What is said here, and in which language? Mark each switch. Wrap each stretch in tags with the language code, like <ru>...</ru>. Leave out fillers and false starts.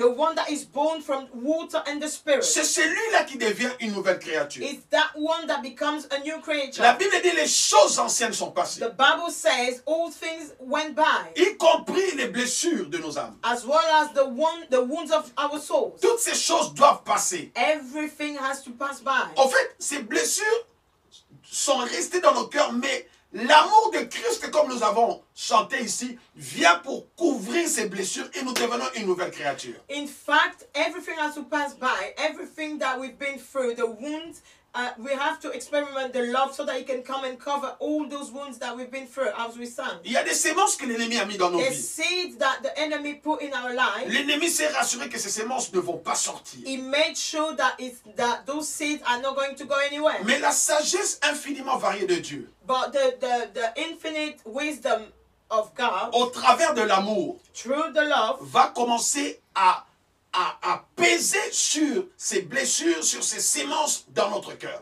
<en>The one that is born from water and the spirit.</en> <fr>C'est celui là qui devient une nouvelle créature.</fr> <en>It's that one that becomes a new creature.</en> <fr>La Bible dit les choses anciennes sont passées.</fr> <en>The Bible says all things went by.</en> <fr>Y compris les blessures de nos âmes.</fr> <en>As well as the wounds of our souls.</en> <fr>Toutes ces choses doivent passer.</fr> <en>Everything has to pass by.</en> <fr>En fait, ces blessures sont restés dans nos cœurs, mais l'amour de Christ, comme nous avons chanté ici, vient pour couvrir ces blessures et nous devenons une nouvelle créature.</fr> <en>In fact, everything has to pass by, everything that we've been through, the wounds, we have to experiment the love so that he can come and cover all those wounds that we've been through as we sang.</en> <fr>Il y a des semences que l'ennemi a mis dans nos</fr> <en>the</en> <fr>vies.</fr> <en>The seeds that the enemy put in our lives.</en> <fr>L'ennemi s'est rassuré que ces semences ne vont pas sortir.</fr> <en>He made sure that that those seeds are not going to go anywhere.</en> <fr>Mais la sagesse infiniment variée de Dieu.</fr> <en>But the infinite wisdom of God.</en> <fr>Au travers de l'amour.</fr> <en>Through the love.</en> <fr>Va commencer à peser sur ces blessures, sur ces semences dans notre cœur.</fr>